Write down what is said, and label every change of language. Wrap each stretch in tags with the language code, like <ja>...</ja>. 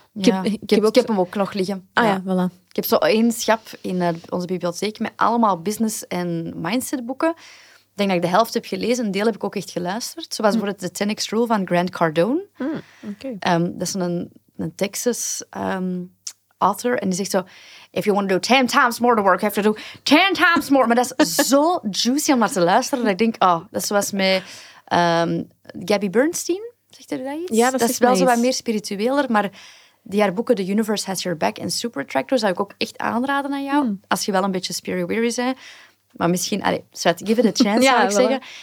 <nl>Ik heb hem ook nog liggen. Ah ja, voilà. Ik heb zo één schap in onze bibliotheek met allemaal business- en mindset-boeken. Ik denk dat ik de helft heb gelezen. Een deel heb ik ook echt geluisterd. Zoals bijvoorbeeld de 10x Rule van Grant Cardone. Dat is een Texas author. En die zegt zo...</nl> <en>If you want to do 10 times more to work, you have to do 10 times more.</en> <nl>Maar dat is zo juicy om naar te luisteren. Dat ik denk, dat is zoals met Gabby Bernstein. Zegt er dat iets? Ja, dat is wel zo wat meer spiritueler. Maar die haar boeken The Universe Has Your Back en Super Attractor zou ik ook echt aanraden aan jou. Als je wel een beetje spirit-weary bent. Maar misschien,</nl> <en>give it a chance,</en> <nl>zou ik zeggen.</nl>